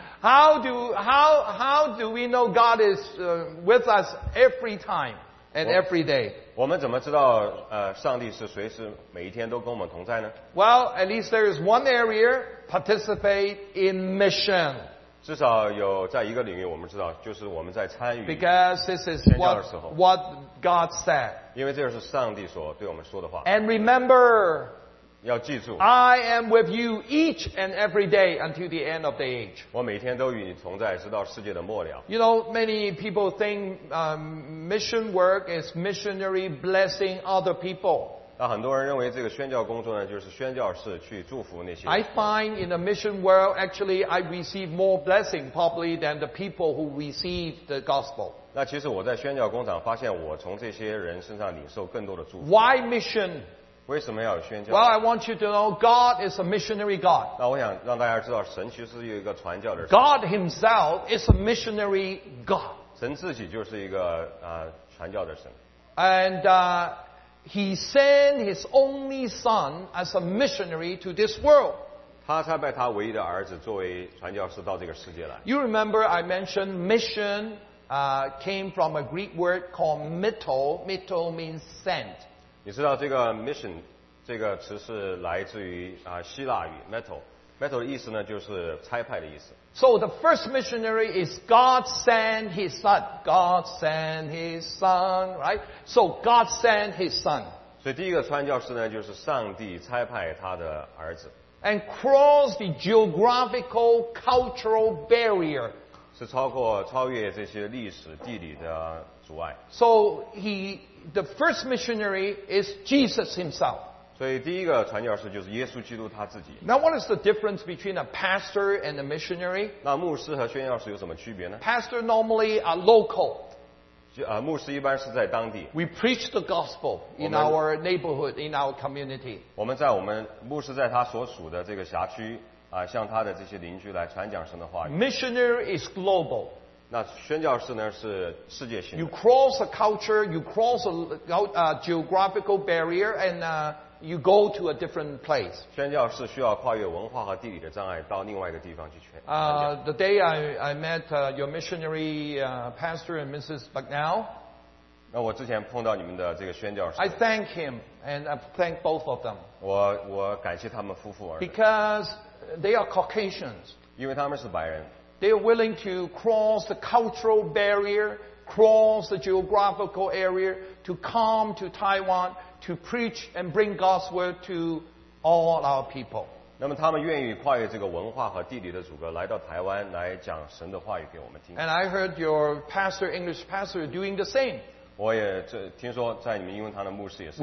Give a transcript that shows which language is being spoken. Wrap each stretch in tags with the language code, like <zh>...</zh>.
<en>how do we know God is with us every time and every day?</en> <zh>我们怎么知道上帝是随时每一天都跟我们同在呢？</zh> <en>Well, at least there is one area, participate in mission.</en> <zh>至少有在一个领域我们知道，就是我们在参与。</zh> <en>Because this is what God said.</en> <zh>因为这是上帝所对我们说的话。</zh> <en>And remember,</en> <zh>要记住，</zh> <en>I am with you each and every day until the end of the age.</en> <zh>我每天都与你同在，直到世界的末了。</zh> <en>You know, many people think mission work is missionary blessing other people.</en> <zh>那很多人认为这个宣教工作呢，就是宣教士去祝福那些。</zh> <en>I find in the mission world, actually, I receive more blessing probably than the people who receive the gospel.</en> <zh>那其实我在宣教工厂发现，我从这些人身上领受更多的祝福。</zh> <en>Why mission?</en> <zh>为什么要有宣教？</zh> <en>Well, I want you to know God is a missionary God.</en> <zh>那我想让大家知道，神其实是一个传教的神。</zh> <en>God Himself is a missionary God.</en> <zh>神自己就是一个传教的神。</zh> <en>And He sent His only Son as a missionary to this world.</en> <zh>他差派他唯一的儿子作为传教士到这个世界来。</zh> <en>You remember I mentioned mission came from a Greek word called mito. Mito means sent.</en> <zh>你知道这个 mission 这个词是来自于希腊语 metal metal 的意思呢，就是差派的意思。</zh> <en>So the first missionary is God sent His Son. God sent His Son, right? So God sent His Son.</en> <zh>所以第一个传教士呢，就是上帝差派他的儿子。</zh> <en>And cross the geographical cultural barrier.</en> <zh>是超越这些历史地理的阻碍。</zh> <en>So he. The first missionary is Jesus himself.</en> <zh>所以第一个传教士就是耶稣基督他自己。</zh> <en>Now what is the difference between a pastor and a missionary?</en> <zh>那牧师和宣教士有什么区别呢？</zh> <en>Pastor normally are local.</en> <zh>牧师一般是在当地。</zh> <en>We preach the gospel in our neighborhood, in our community.</en> <zh>牧师在他所属的这个辖区向他的这些邻居来传讲神的话语。</zh> <en>Missionary is global.</en> <zh>那宣教士呢是世界性的。</zh> <en>You cross a culture, you cross a geographical barrier, and you go to a different place.</en> <zh>宣教士需要跨越文化和地理的障碍，到另外一个地方去传讲。</zh> <en>The day I met your missionary pastor and Mrs. Bucknell.</en> <zh>那我之前碰到你们的这个宣教士。</zh> <en>I thank him and I thank both of them.</en> <zh>我感谢他们夫妇。</zh> <en>Because they are Caucasians.</en> <zh>因为他们是白人。</zh> <en>They are willing to cross the cultural barrier, cross the geographical area to come to Taiwan to preach and bring God's word to all our people.</en> <zh>那么他们愿意跨越这个文化和地理的阻隔，来到台湾来讲神的话语给我们听。</zh> <en>And I heard your pastor, English pastor, doing the same.</en> <zh>我也听说在你们英文堂的牧师也是。</zh>